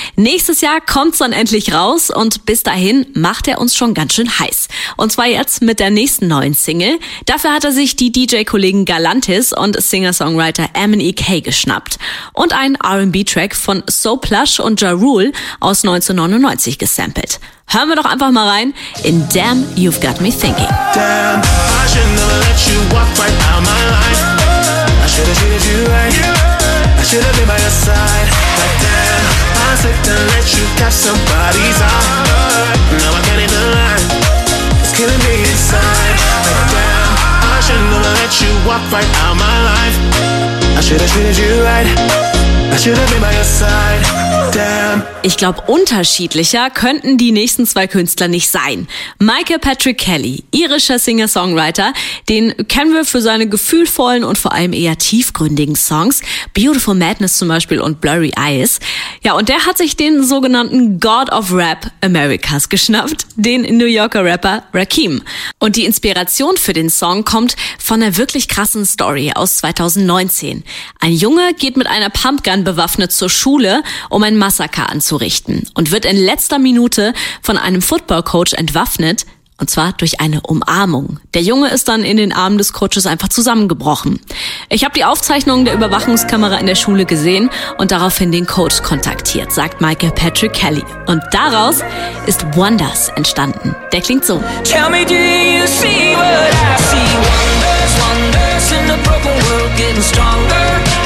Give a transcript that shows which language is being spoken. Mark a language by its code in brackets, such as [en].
[de] Nächstes Jahr kommt's dann endlich raus und bis dahin macht er uns schon ganz schön heiß. Und zwar jetzt mit der nächsten neuen Single. Dafür hat er sich die DJ-Kollegen Galantis und Singer-Songwriter M&EK geschnappt und einen R&B-Track von So Plush und Ja Rule aus 1999 gesampelt. Hören wir doch einfach mal rein in Damn You've Got Me Thinking. [en] Damn, I should never let you walk right out my life. I should've treated you right. I should've been by your side. But damn, I slipped and let you catch somebody's eye. Now I can't even lie, it's killing me inside. But damn, I should never let you walk right out my life. I should've treated you right. I should've been by your side. Damn. [de] Ich glaube, unterschiedlicher könnten die nächsten zwei Künstler nicht sein. Michael Patrick Kelly, irischer Singer-Songwriter, den kennen wir für seine gefühlvollen und vor allem eher tiefgründigen Songs, Beautiful Madness zum Beispiel und Blurry Eyes. Ja, und der hat sich den sogenannten God of Rap Americas geschnappt, den New Yorker Rapper Rakim. Und die Inspiration für den Song kommt von einer wirklich krassen Story aus 2019. Ein Junge geht mit einer Pumpgun bewaffnet zur Schule, um ein Massaker anzurichten und wird in letzter Minute von einem Football-Coach entwaffnet, und zwar durch eine Umarmung. Der Junge ist dann in den Armen des Coaches einfach zusammengebrochen. Ich habe die Aufzeichnungen der Überwachungskamera in der Schule gesehen und daraufhin den Coach kontaktiert, sagt Michael Patrick Kelly. Und daraus ist Wonders entstanden. Der klingt so. [en] Tell me, do you see what I see? Wonders, wonders in a broken world getting stronger.